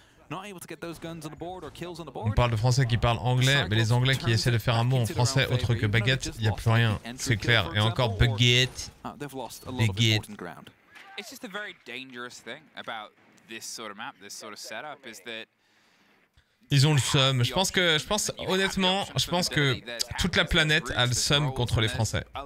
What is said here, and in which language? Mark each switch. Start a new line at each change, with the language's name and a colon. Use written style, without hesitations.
French: On parle de français qui parlent anglais, mais les anglais qui essaient de faire un mot en français autre que baguette, il n'y a plus rien, c'est clair. Et encore baguette.
English: They've lost a lot of important ground. It's just a very dangerous thing about this sort of map, this sort of setup, is that...
French: Ils ont le seum. Je pense que, honnêtement, toute la planète a le seum contre les Français.